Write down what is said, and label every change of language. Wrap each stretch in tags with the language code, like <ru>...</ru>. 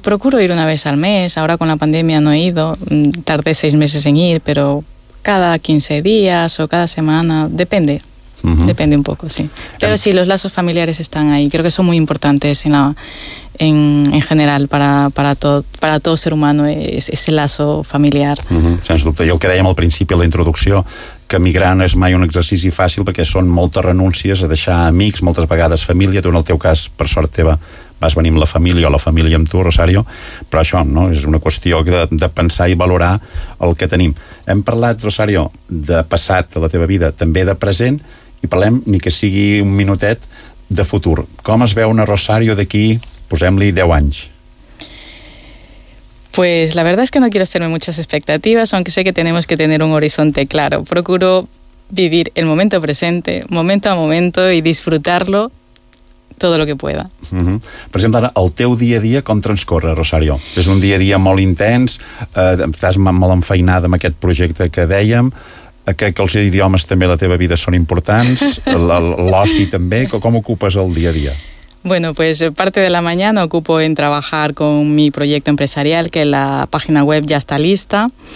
<es>Procuro ir una vez al mes, ahora con la pandemia no he ido, tardé 6 meses en ir, pero cada 15 días o cada semana, depende, uh-huh. depende un poco, sí. Pero sí, los lazos familiares están ahí, creo que son muy importantes en la... En general, para todo ser humano, es el lazo familiar.</es> <ca>Uh-huh, sens dubte. I el que dèiem al principi, a la introducció, que migrar no és mai un exercici fàcil perquè són moltes renúncies a deixar amics, moltes vegades família. Tu, en el teu cas, per sort teva, vas venir amb la família o la família amb tu, Rosario, però això no és una qüestió de pensar i valorar el que tenim. Hem parlat, Rosario, de passat de la teva vida, també de present, i parlem, ni que sigui un minutet, de futur. Com es veu una Rosario d'aquí... Posem-li 10 anys.</ca> <es>Pues la verdad es que no quiero hacerme muchas expectativas, aunque sé que tenemos que tener un horizonte claro. Procuro vivir el momento presente, momento a momento, y disfrutarlo todo lo que pueda.</es> <ca>Uh-huh. Per exemple, ara, el teu dia a dia com transcorre, Rosario? És un dia a dia molt intens, estàs molt enfeinada amb aquest projecte que dèiem, crec que els idiomes també a la teva vida són importants, l'oci també, com ocupes el dia a dia?</ca> <es>Bueno, pues parte de la mañana ocupo en trabajar con mi proyecto empresarial, que la página web ya está lista.</es>